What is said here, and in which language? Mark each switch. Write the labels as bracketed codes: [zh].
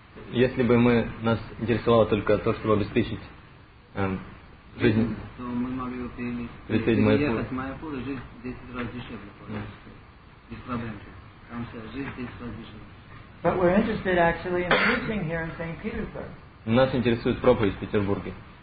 [ru] Если бы мы нас интересовало только то, чтобы обеспечить жизнь, то мы могли бы ехать в Майяпур и жить 10 раз дешевле. Без проблем. Там жизнь 10 раз дешевле. [en] But we're interested actually in preaching here in St. Petersburg. [ru] Нас интересует проповедь в Петербурге.